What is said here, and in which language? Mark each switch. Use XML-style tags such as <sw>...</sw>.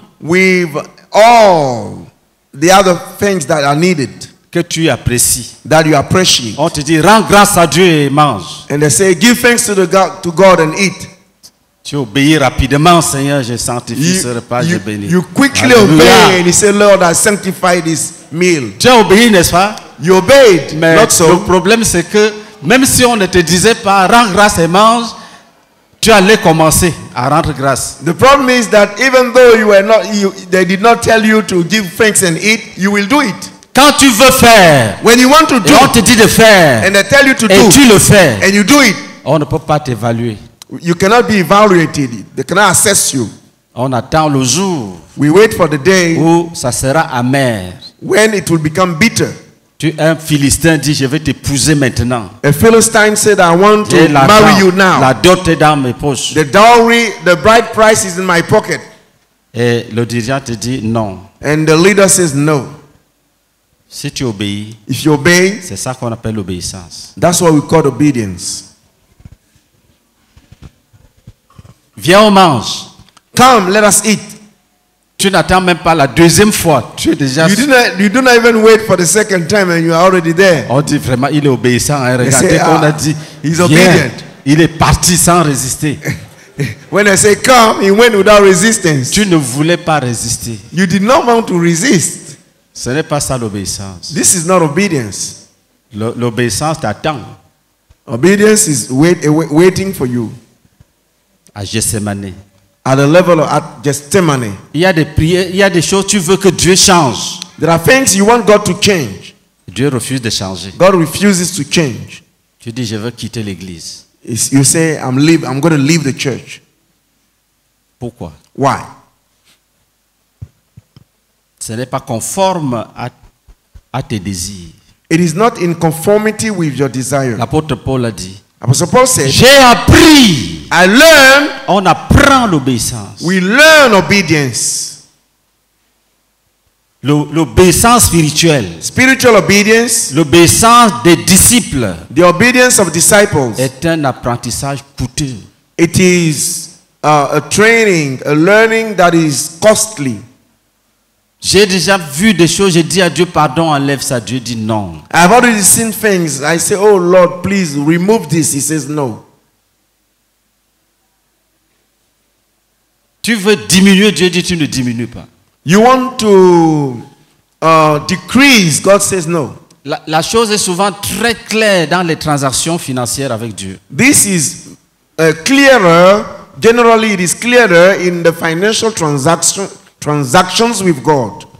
<en>With all the other things that are needed.</en> <fr>Que tu apprécies.</fr> <en>That you appreciate.</en> <fr>On te dit rends grâce à Dieu et mange.</fr> <en>And they say give thanks to God and eat.</en> <fr>Tu obéis rapidement, Seigneur, je sanctifie ce repas, je bénis.</fr> <en>You quickly obey and you say Lord, I sanctify this meal.</en> <fr>Tu as obéi, n'est-ce pas?</fr> <en>You obeyed,</en> <fr>mais</fr> <en>not so.</en> <fr>Le problème c'est que même si on ne te disait pas rends grâce et mange, tu allais commencer à rendre grâce.</fr> <en>The problem is that even though you were not, they did not tell you to give thanks and eat, you will do it.</en> <fr>Quand tu veux faire,</fr> <en>when you want to do,</en> <fr>et on te dit de faire,</fr> <en>and they tell you to</en> <fr>et</fr> <en>do,</en> <fr>et tu le fais,</fr> <en>and you do it,</en> <fr>on ne peut pas t'évaluer.</fr> <en>You cannot be evaluated. They cannot assess you.</en> <fr>On attend le jour.</fr> <en>We wait for the day</en> <fr>où ça sera amer.</fr> <en>When it will become bitter.</en> <fr>Tu es un Philistin, dit je vais t'épouser maintenant.</fr> <en>A Philistine said I want to marry you now.</en> <fr>La dot est dans mes poches.</fr> <en>The dowry, the bride price is in my pocket.</en> <fr>Et le dirigeant te dit non.</fr> <en>And the leader says no.</en> <fr>Si tu obéis,</fr> <en>if you obey,</en> <fr>c'est ça qu'on appelle l'obéissance.</fr> <en>That's what we call obedience.</en> <fr>Viens, on mange.</fr> <en>Come, let us eat.</en> <fr>Tu n'attends même pas la deuxième fois. Tu es déjà.</fr> <en>You do not even wait for the second time, and you are already there.</en> <fr>On dit vraiment, il est obéissant. Regardez qu'on a dit.</fr> <en>He's obedient.</en> <fr>Il est parti sans résister.</fr> <en>When I say come, he went without resistance.</en> <fr>Tu ne voulais pas résister.</fr> <en>You did not want to resist.</en> <fr>Ce n'est pas ça l'obéissance.</fr> <en>This is not obedience.</en> <fr>L'obéissance t'attend.</fr> <en>Obedience is waiting for you.</en> <fr>À Gethsémané.</fr> <en>At the level of at Gethsémané.</en> <fr>Il y a des prières, il y a des choses tu veux que Dieu change.</fr> <en>There are things you want God to change.</en> <fr>Dieu refuse de changer.</fr> <en>God refuses to change.</en> <fr>Tu dis je veux quitter l'église.</fr> <en>You say I'm going to leave the church.</en> <fr>Pourquoi?</fr> <en>Why?</en> <fr>Ce n'est pas conforme à tes désirs.</fr> <en>It is not in conformity with your desire.</en> <fr>L'apôtre Paul a dit.</fr> <en>Apostle Paul said.</en> <fr>J'ai appris.</fr> <en>I learn.</en> <fr>On apprend l'obéissance.</fr> <en>We learn obedience.</en> <fr>L'obéissance spirituelle.</fr> <en>Spiritual obedience.</en> <fr>L'obéissance des disciples.</fr> <en>The obedience of disciples.</en> <fr>Est un apprentissage coûteux.</fr> <en>It is a training, a learning that is costly.</en> <fr>J'ai déjà vu des choses, j'ai dit à Dieu pardon, enlève ça. Dieu dit non.</fr> <en>I've already seen things. I say, oh Lord, please remove this. He says no.</en> <fr>Tu veux diminuer, Dieu dit tu ne diminues pas.</fr> <en>You want to decrease, God says no.</en> <fr>La chose est souvent très claire dans les transactions financières avec Dieu.</fr> <en>This is clearer, generally it is clearer in the financial transactions with God.</en>